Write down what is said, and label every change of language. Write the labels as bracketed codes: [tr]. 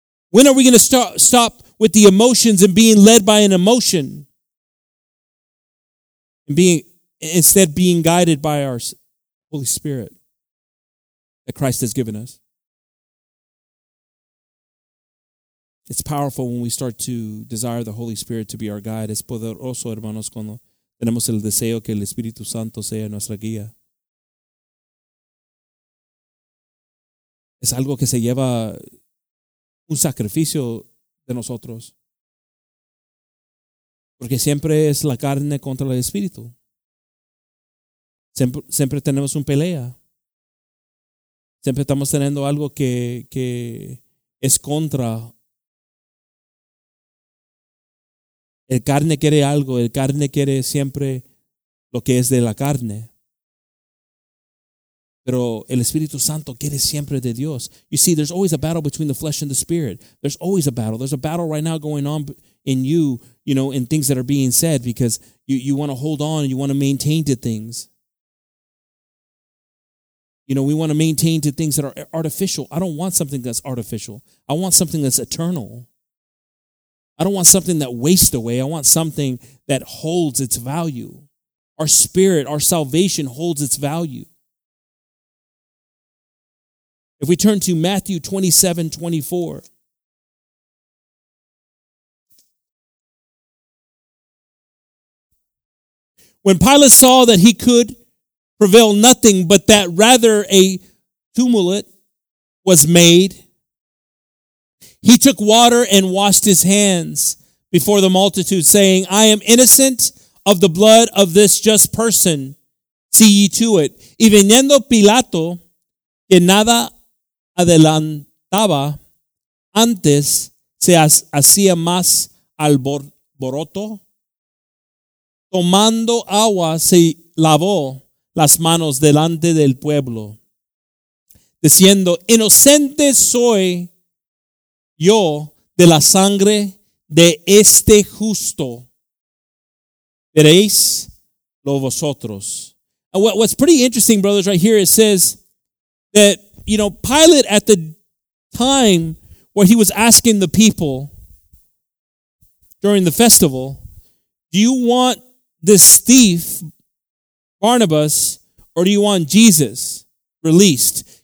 [en] When are we going to stop with the emotions and being led by an emotion? And instead being guided by our Holy Spirit that Christ has given us. It's powerful when we start to desire the Holy Spirit to be our guide. [es] Es poderoso, hermanos, cuando tenemos el deseo que el Espíritu Santo sea nuestra guía. Es algo que se lleva un sacrificio de nosotros. Porque siempre es la carne contra el Espíritu. Siempre tenemos un pelea. Siempre estamos teniendo algo que es contra El carne quiere algo. El carne quiere siempre lo que es de la carne. Pero el Espíritu Santo quiere siempre de Dios. [en] You see, there's always a battle between the flesh and the spirit. There's always a battle. There's a battle right now going on in you, you know, in things that are being said because you want to hold on and you want to maintain to things. You know, we want to maintain to things that are artificial. I don't want something that's artificial. I want something that's eternal. I don't want something that wastes away. I want something that holds its value. Our spirit, our salvation holds its value. If we turn to Matthew 27:24. When Pilate saw that he could prevail nothing, but that rather a tumult was made, he took water and washed his hands before the multitude, saying, I am innocent of the blood of this just person. See ye to it. [es] Y viniendo Pilato, que nada adelantaba antes, se hacía más alboroto, tomando agua, se lavó las manos delante del pueblo, diciendo, inocente soy yo de la sangre de este justo. Veréis lo vosotros. [en] What's pretty interesting, brothers, right here, it says that, you know, Pilate at the time where he was asking the people during the festival, do you want this thief, Barnabas, or do you want Jesus released?